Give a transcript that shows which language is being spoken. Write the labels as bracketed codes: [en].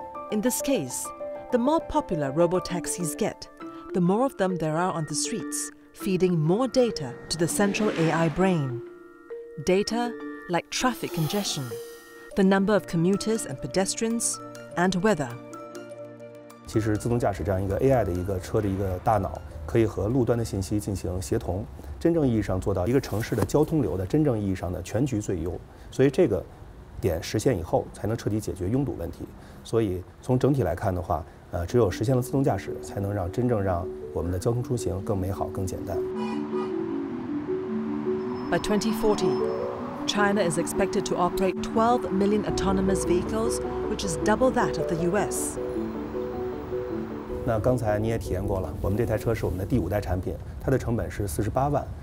[en] In this case, the more popular robo-taxis get, the more of them there are on the streets, feeding more data to the central AI brain. Data like traffic congestion, the number of commuters and pedestrians, and weather. [zh] 其实自动驾驶这样一个AI的一个车的一个大脑，可以和路端的信息进行协同，真正意义上做到一个城市的交通流的真正意义上的全局最优。所以这个点实现以后，才能彻底解决拥堵问题。所以从整体来看的话， 只有实现了自动驾驶，才能让真正让我们的交通出行更美好、更简单。 [en] By 2040, China is expected to operate 12 million autonomous vehicles, which is double that of the US. [zh] 那刚才你也体验过了，我们这台车是我们的第五代产品，它的成本是48万。